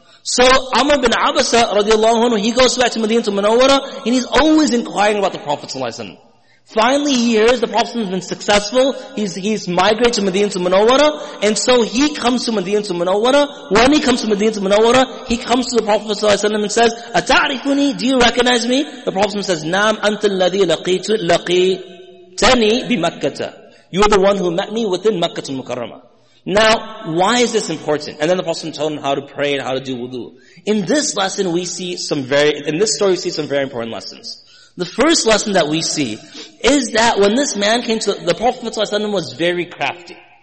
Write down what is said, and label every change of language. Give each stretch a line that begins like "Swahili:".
English: So Amr bin Abasa radiallahu anhu, he goes back to Medina to Munawwara, and he's always inquiring about the Prophet sallallahu alaihi wasallam. Finally, he hears the Prophet has been successful. He's migrated to Medina to Munawwara. And so he comes to Medina to Munawwara. When he comes to Medina to Munawwara, he comes to the Prophet ﷺ and says,
Arabic: أتعرفني?
English: Do you recognize me? The Prophet ﷺ says,
Arabic: نعم أنت الذي لقيتني بمكة.
English: You are the one who met me within مكة المكرمة. Now, why is this important? And then the Prophet ﷺ told him how to pray and how to do wudu. In this story, we see some very important lessons. The first lesson that we see is that when this man came to the Prophet ﷺ was very crafty.